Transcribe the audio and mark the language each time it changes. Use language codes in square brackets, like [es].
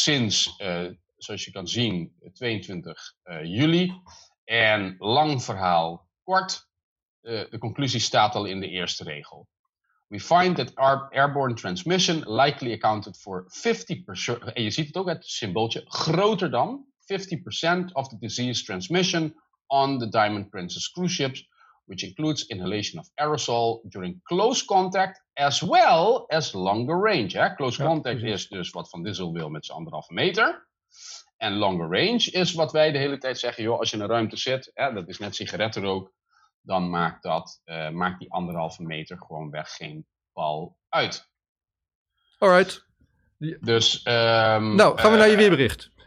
[nl] Zoals je kan zien, 22 juli. En lang verhaal kort, de conclusie staat al in de eerste regel. [en] We find that airborne transmission likely accounted for 50%, [nl] en je ziet het ook, het symbooltje, [en] groter dan 50% of the disease transmission on the Diamond Princess cruise ships, which includes inhalation of aerosol during close contact as well as longer range. [nl] Hè? Close contact is dus wat Van Dissel wil met z'n 1,5 meter. En longer range is wat wij de hele tijd zeggen, joh, als je in een ruimte zit, hè, dat is net sigarettenrook, dan maakt die 1,5 meter gewoon weg geen bal uit. [en] All right. [nl] Dus, gaan we naar je weerbericht.